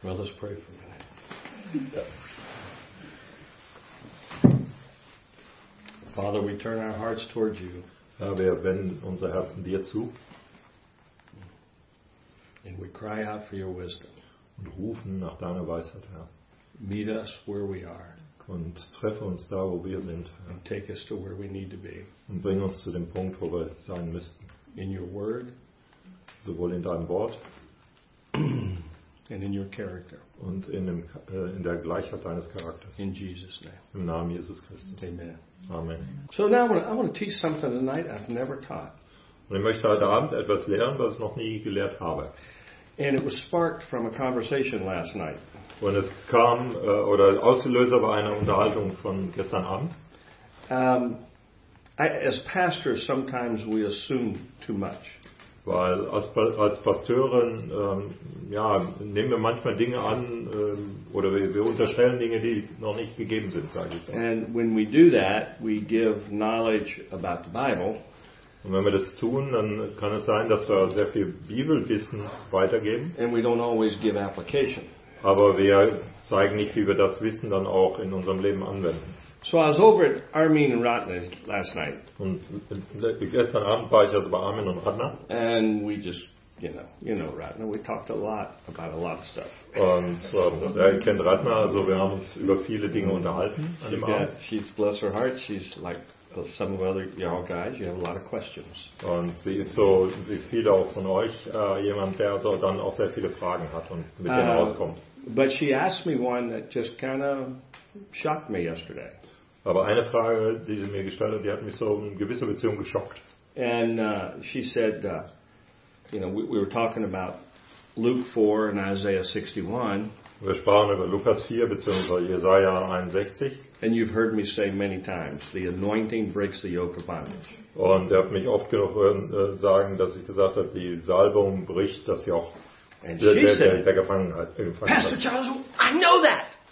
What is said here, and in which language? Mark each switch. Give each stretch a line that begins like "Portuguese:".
English: Well, let's pray for a minute. Father, we turn our hearts towards you.
German: Ja, wir wenden unser Herzen dir zu.
English: And we cry out for your wisdom.
German: Und rufen nach deiner Weisheit, Herr.
English: Meet us where we are.
German: Und treffe uns da, wo wir sind.
English: And take us to where we need to be.
German: Und bring uns zu dem Punkt, wo wir sein müssten.
English: In your word.
German: Sowohl in deinem Wort.
English: And in your character.
German: Und in der Gleichheit deines Charakters.
English: In Jesus' name.
German: Im Namen Jesus Christus.
English: Amen.
German: Amen.
English: So now I want to teach something tonight I've never taught.
German: Und ich möchte heute Abend etwas lernen, was ich noch nie gelehrt habe.
English: And it was sparked from a conversation last night.
German: Und es kam oder ausgelöst war eine Unterhaltung von gestern Abend.
English: As pastors, sometimes we assume too much.
German: Weil als Pasteuren nehmen wir manchmal Dinge an oder wir unterstellen Dinge, die noch nicht gegeben sind, sage ich so.
English: And when we do that, we give knowledge about the Bible.
German: Und wenn wir das tun, dann kann es sein, dass wir sehr viel Bibelwissen weitergeben.
English: And we don't always give application.
German: Aber wir zeigen nicht, wie wir das Wissen dann auch in unserem Leben anwenden.
English: So I was over at Armin and Ratna's last night.
German: Und gestern Abend war ich also bei Armin und Ratna.
English: And we just, you know Ratna, we talked a lot about a lot of stuff.
German: Und ich kenne Ratna, also wir haben uns über viele Dinge unterhalten.
English: She's bless her heart, she's like some of the other y'all guys, you have a lot of questions.
German: Und sie ist so, wie viele auch von euch, jemand, der also dann auch sehr viele Fragen hat und mit denen rauskommt.
English: But she asked me one that just kind of shocked me yesterday.
German: Aber eine Frage, die sie mir gestellt hat, die hat mich so in gewisser Beziehung geschockt.
English: And she said, we were talking about Luke 4 and Isaiah 61.
German: Wir sprachen über Lukas 4 beziehungsweise Jesaja 61.
English: And you've heard me say many times, the anointing breaks the yoke of bondage.
German: Und ihr habt mich oft genug hören sagen, dass ich gesagt habe, die Salbung bricht das Joch der Gefangenheit.
English: Pastor Charles, I know that.